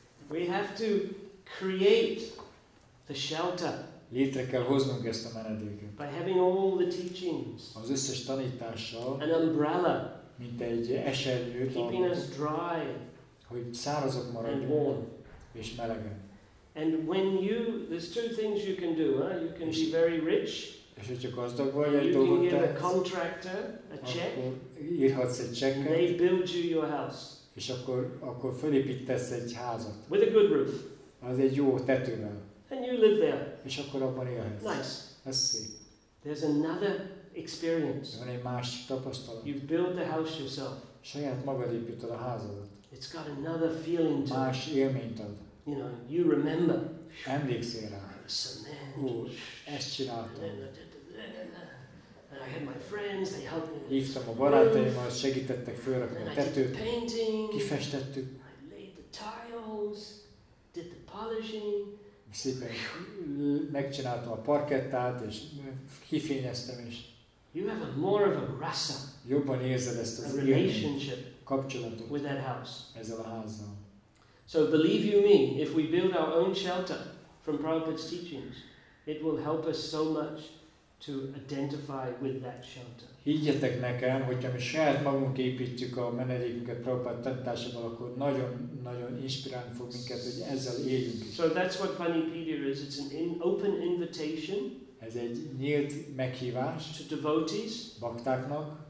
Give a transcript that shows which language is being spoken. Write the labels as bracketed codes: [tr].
[en] We have to create the shelter. [hu] Létre kell hoznunk ezt a menedéket. [en] By having all the teachings. [hu] Az összes tanítással. [en] An umbrella. [hu] Mint egy esernyőt. [en] Keeping us dry. [hu] Hogy szárazok maradjunk. És melegen. [en] And when you, there's two things you can do, huh? You can be very rich. [hu] És hogyha gazdag vagy, egy dolgot tetsz. [en] You can give a contractor a check. [hu] Írhatsz egy csekket. [en] They build you your house. [hu] És akkor fölépítesz egy házat. [en] With a good roof. [hu] Az egy jó tetővel. [en] And you live there. [hu] És akkor abban élhetsz. [en] Nice. [hu] Ez szép. [en] There's another experience. [hu] Van egy másik tapasztalat. [en] You build the house yourself. [hu] Saját magad építed a házadat. [en] It's got another feeling to [hu] más élményt ad. [en] You know, you remember. [hu] Emlékszél rá. [en] Cement. [hu] Ezt csináltam. [en] And I had my friends, they helped me. [hu] Hívtam a barátaimat, segítettek fölrakni a tetőt. [en] Painting. [hu] Kifestettük. [en] I laid the tiles, did the polishing. [hu] Szépen megcsináltam a parkettát, és kifényeztem is. [en] You have a more of a rasa. [hu] Jobban érzed ezt az [en] relationship [hu] kapcsolatot [en] with that house. [hu] Ezzel a házzal. [en] So believe you me, if we build our own shelter from Prabhupada's teachings, it will help us so much to identify with that shelter. [hu] Higgyetek nekem, hogyha mi saját magunk építjük a menedékünket Prabhupada tanításával, akkor nagyon-nagyon inspirálni fog minket, hogy ezzel éljünk is. [en] So that's what Vanipedia is. It's an open invitation. [hu] Ez egy nyílt meghívás. [en] To devotees. [hu] Baktáknak.